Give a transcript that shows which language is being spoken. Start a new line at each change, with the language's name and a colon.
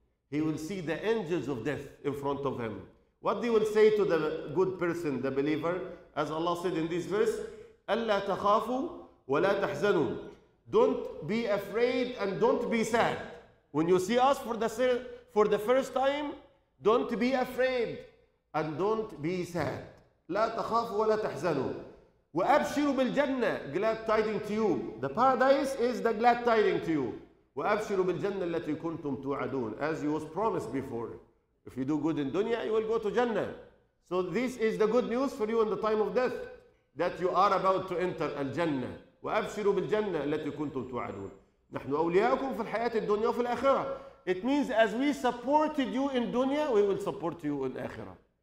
English: He will see the angels of death in front of him. What they will say to the good person, the believer, as Allah said in this verse,
Arabic: أَلَّا تَخَافُوا وَلَا تَحْزَنُوا
English: Don't be afraid and don't be sad. When you see us for the first time, don't be afraid and don't be sad.
Arabic: لَا تَخَافُوا وَلَا تَحْزَنُوا وَأَبْشِرُوا بِالْجَنَّةِ
English: Glad tidings to you. The paradise is the glad tidings to you.
Arabic: وَأَبْشِرُوا بِالْجَنَّةِ الَّتِي كُنْتُمْ تُوعَدُونَ
English: As you was promised before. If you do good in dunya, you will go to Jannah. So this is the good news for you in the time of death, that you are about to enter al-Jannah.
Arabic: وَأَبْشِرُوا بِالْجَنَّةِ الَّتِي كُنْتُمْ تُوعَدُونَ نَحْنُ أَوْلِيَاءُكُمْ فِي الْحَيَاةِ الدُّنْيَا وَفِي الْآخِرَةِ
English: It means as we supported you in dunya, we will support you in akhirah.